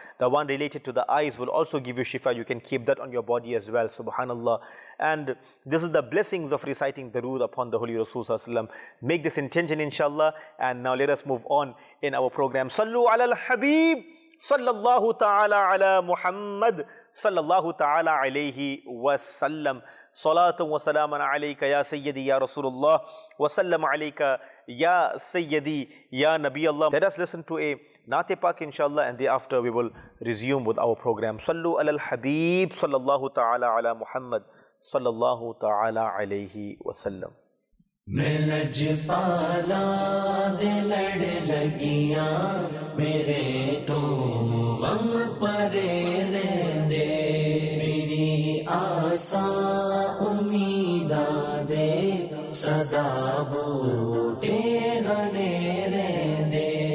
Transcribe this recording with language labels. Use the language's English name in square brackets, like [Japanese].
[English] The one related to the eyes will also give you شفا. You can keep that on your body as well, سبحان اللہ. And this is the blessings of reciting درود upon the holy رسول صلی اللہ علیہ وسلم. Make this intention ان شاء اللہ. And now let us move on in our programme. [Arabic] صلوا علی الحبیب صلی اللہ تعالی علی محمد صلی اللہ تعالی علیہ وسلم. صلاۃ و سلام علیک یا سیدی یا رسول اللہ, وسلم علیک یا سیدی یا نبی اللہ. [English] Let us listen to a نعت پاک انشاءاللہ, and thereafter we will resume with our program. [Arabic] صلوا علی الحبیب صلی اللہ تعالی علی محمد صلی اللہ تعالی علیہ وسلم. [Punjabi] ملج پالا دے لڑ لگیاں میرے تو غم پرے رہندے, میری آساں امیدہ دے صدا بوٹے غرے رہندے.